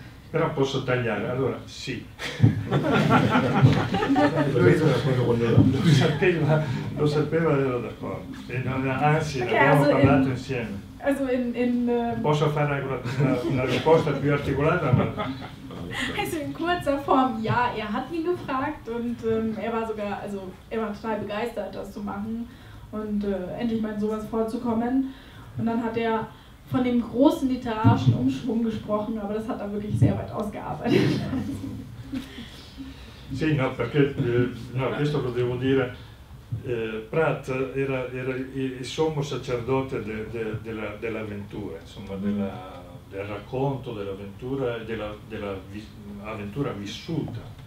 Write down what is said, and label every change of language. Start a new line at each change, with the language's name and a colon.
Italian: Però posso tagliare, allora, sì. lo sapeva ed ero d'accordo. E non, anzi, okay, abbiamo parlato insieme.
German: Also in
Italian: posso fare una risposta più articolata, ma...
German: Also in kurzer Form, ja, er hat ihn gefragt und er war total begeistert, das zu machen und endlich mal in sowas vorzukommen. Und dann hat er von dem großen literarischen Umschwung gesprochen, aber das hat er wirklich sehr weit ausgearbeitet.
Italian: Sì, no, perché, no, questo lo devo dire. Pratt era il sommo sacerdote dell'avventura, insomma, del racconto dell'avventura e dell'avventura vissuta.